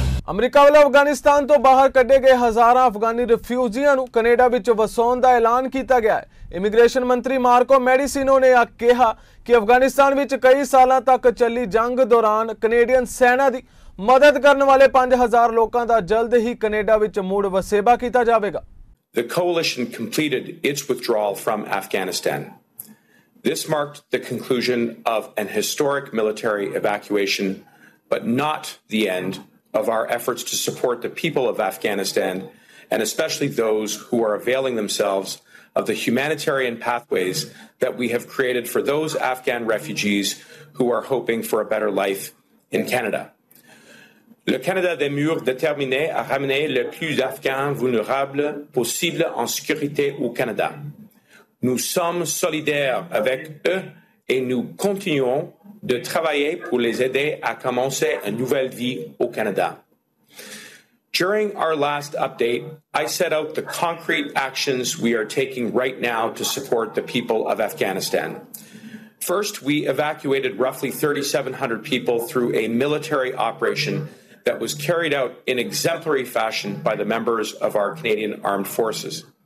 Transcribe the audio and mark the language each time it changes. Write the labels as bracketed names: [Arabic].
[Punjabi] America ਵੱਲੋਂ ਅਫਗਾਨਿਸਤਾਨ ਤੋਂ ਬਾਹਰ ਕੱਢੇ ਗਏ ਹਜ਼ਾਰਾਂ ਅਫਗਾਨੀ ਰਿਫਿਊਜੀਆਂ ਨੂੰ ਕੈਨੇਡਾ ਵਿੱਚ ਵਸਾਉਣ ਦਾ ਐਲਾਨ ਕੀਤਾ ਗਿਆ ਹੈ। ਇਮੀਗ੍ਰੇਸ਼ਨ ਮੰਤਰੀ ਮਾਰਕੋ ਮੈਡੀਸਿਨੋ ਨੇ ਕਿਹਾ ਕਿ ਅਫਗਾਨਿਸਤਾਨ ਵਿੱਚ ਕਈ ਸਾਲਾਂ ਤੱਕ ਚੱਲੀ ਜੰਗ ਦੌਰਾਨ ਕੈਨੇਡੀਅਨ ਸੈਨਾ ਦੀ ਮਦਦ ਕਰਨ ਵਾਲੇ 5000 ਲੋਕਾਂ ਦਾ ਜਲਦ ਹੀ ਕੈਨੇਡਾ ਵਿੱਚ ਮੁੜ ਵਸੇਬਾ ਕੀਤਾ ਜਾਵੇਗਾ। [English] The coalition completed its withdrawal from Afghanistan. This marked the conclusion of an historic military evacuation, but not the end of our efforts to support the people of Afghanistan, and especially those who are availing themselves of the humanitarian pathways that we have created for those Afghan refugees who are hoping for a better life in Canada. [French] Le Canada demeure déterminé à ramener le plus d'Afghans vulnérables possible en sécurité au Canada. Nous sommes solidaires avec eux et nous continuons de travailler pour les aider à commencer une nouvelle vie au Canada. [English] During our last update, I set out the concrete actions we are taking right now to support the people of Afghanistan. First, we evacuated roughly 3,700 people through a military operation that was carried out in exemplary fashion by the members of our Canadian Armed Forces.